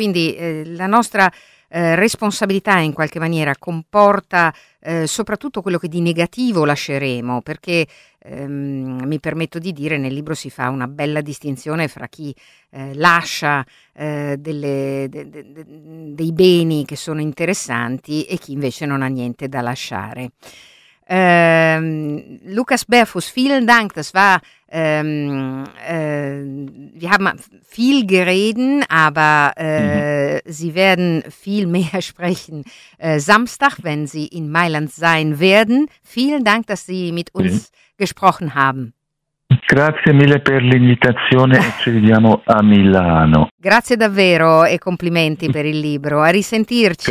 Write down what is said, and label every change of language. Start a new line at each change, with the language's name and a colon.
Italian: Quindi la nostra responsabilità in qualche maniera comporta soprattutto quello che di negativo lasceremo, perché mi permetto di dire, nel libro si fa una bella distinzione fra chi lascia dei beni che sono interessanti e chi invece non ha niente da lasciare.
German: Lukas Berfus, vielen Dank, das war wir haben viel geredet, aber Sie werden viel mehr sprechen Samstag, wenn Sie in Mailand sein werden. Vielen Dank, dass Sie mit uns gesprochen haben.
Italian: Grazie mille per l'invitazione e ci vediamo a Milano. Grazie davvero e complimenti per il libro. A risentirci.